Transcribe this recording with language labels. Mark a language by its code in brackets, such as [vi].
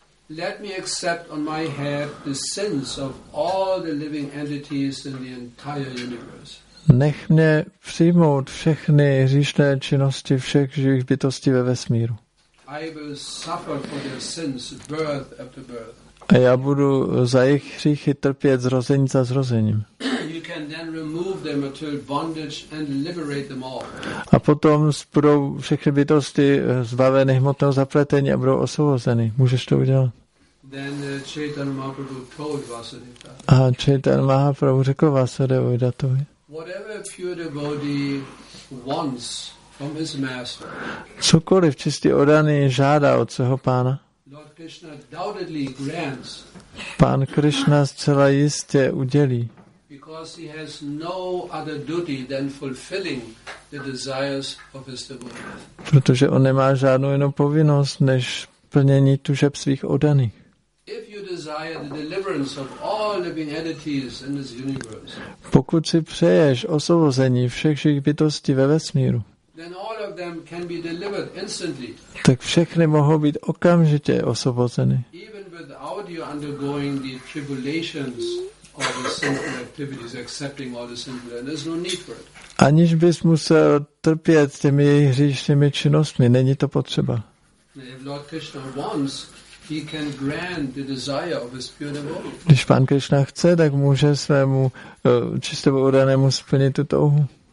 [en] Let me accept on my head the sins of all the living entities in the entire universe. [cs] Nech mě přijmout všechny hříšné činnosti všech živých bytostí ve vesmíru. [en] I will suffer for their sins birth after birth. [cs] A já budu za jejich hříchy trpět zrození za zrozením. [en] You can then remove them until bondage and liberate them all. [cs] A potom budou všechny bytosti zbaveny hmotného zapletení a budou osvobozeny. Můžeš to udělat? [en] Then Chaitanya Mahaprabhu told Vasudev. [cs] A Chaitanya Mahaprabhu řekl Vasudev Datovi. [en] Whatever pure devotee wants from his master. [cs] Cokoliv čistý oddaný žádá od svého pána. [en] Lord Krishna doubtedly grants. [cs] Pán Krishna zcela jistě udělí. [en] Because he has no other duty than fulfilling the desires of his devotees. [cs] Protože on nemá žádnou jinou povinnost než plnění tužeb svých oddaných. [en] If you desire the deliverance of all living entities in this universe. [cs] Pokud si přeješ osvobození všech živých bytostí ve vesmíru. [en] Then all of them can be delivered instantly. [cs] Tak všechny mohou být okamžitě osvobozeny. [en] Even without you undergoing the tribulations of the sinful activities, accepting all the sinful, there's no need for it. [cs] Aniž bys musel trpět těmi hříšnými činnostmi, není to potřeba. [en] If Lord Krishna wants, he can grant the desire of his pure devotee. [cs] Když pán Krishna chce, tak může svému čistému oddanému splnit tu touhu.